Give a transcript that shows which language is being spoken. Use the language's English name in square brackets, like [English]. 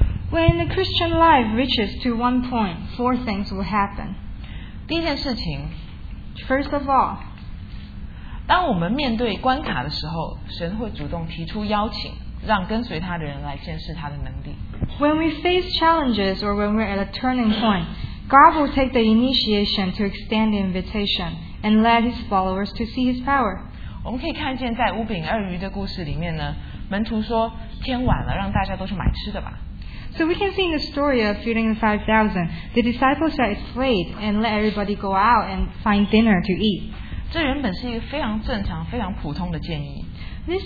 [English] When the Christian life reaches to one point, 4 things will happen. [Chinese] 第一件事情, [English] First of all, [Chinese] 当我们面对关卡的时候，神会主动提出邀请。 [English] When we face challenges or when we're at a turning point, God will take the initiation to extend the invitation and let His followers to see His power. [Chinese] 我们可以看见在五饼二鱼的故事里面呢，门徒说天晚了，让大家都去买吃的吧。So [English] we can see in the story of feeding the 5,000, the disciples said it's late and let everybody go out and find dinner to eat. [Chinese] 这原本是一个非常正常、非常普通的建议。This